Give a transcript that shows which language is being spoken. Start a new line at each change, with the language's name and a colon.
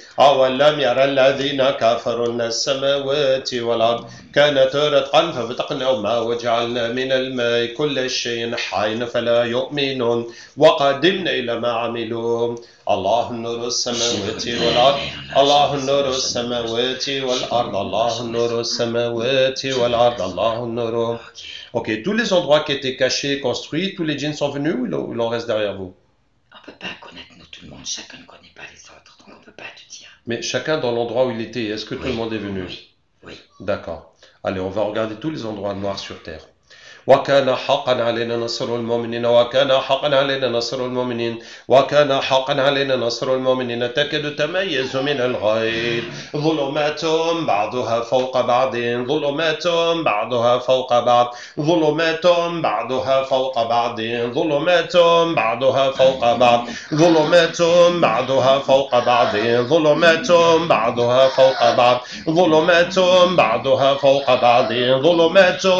Arabic: أولم يرى الذين كفروا أن السماوات والأرض كانت رتقا ففتقناهما وجعلنا من الماء كل شيء حي فلا يؤمنون وقدمنا إلى ما عملوا. الله نور السماوات والأرض، الله نور السماوات والأرض، الله نور السماوات والأرض، الله نور.
French: Ok, tous les endroits qui étaient cachés, construits, tous les djinns sont venus ou il en reste derrière vous? On peut pas connaître nous tout le monde, chacun ne connaît pas les autres, donc on peut pas tout dire. Mais chacun dans l'endroit où il était, est-ce que tout Oui, le monde est venu? oui, oui. D'accord. Allez, on va regarder tous les endroits noirs sur Terre.
Arabic: وكان حقا علينا نصر المؤمنين وكان حقا علينا نصر المؤمنين وكان حقا علينا نصر المؤمنين تكاد تميز من الغيظ ظلمات بعضها فوق بعض ظلمات بعضها فوق بعض ظلمات بعضها فوق بعض ظلمات بعضها فوق بعض ظلمات بعضها فوق بعض ظلمات بعضها فوق بعض ظلمات بعضها فوق بعض ظلمات